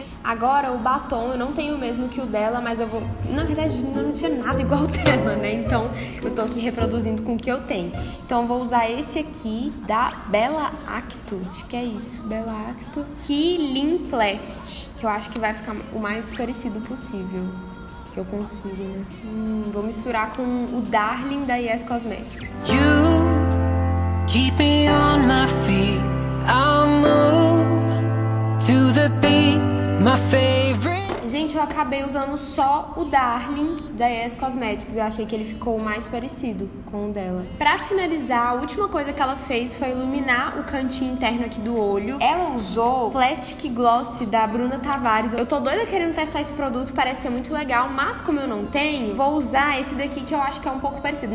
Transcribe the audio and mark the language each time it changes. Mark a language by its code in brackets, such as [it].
[pt] Agora, o batom, eu não tenho o mesmo que o dela, mas eu vou... Na verdade, eu não tinha nada igual o dela, né? Então, eu tô aqui reproduzindo com o que eu tenho. Então, eu vou usar esse aqui, da Bella Acto. Acho que é isso, Bella Acto. Healing Plast, que eu acho que vai ficar o mais parecido possível. Que eu consigo, né? Vou misturar com o Darling, da Yes Cosmetics. [en] You keep me on my feet, I'll move to the beat. My favorite. [pt] Gente, eu acabei usando só o Darling da Yes Cosmetics. Eu achei que ele ficou mais parecido com o dela. Pra finalizar, a última coisa que ela fez foi iluminar o cantinho interno aqui do olho. Ela usou Plastic Gloss da Bruna Tavares. Eu tô doida querendo testar esse produto, parece ser muito legal. Mas como eu não tenho, vou usar esse daqui que eu acho que é um pouco parecido.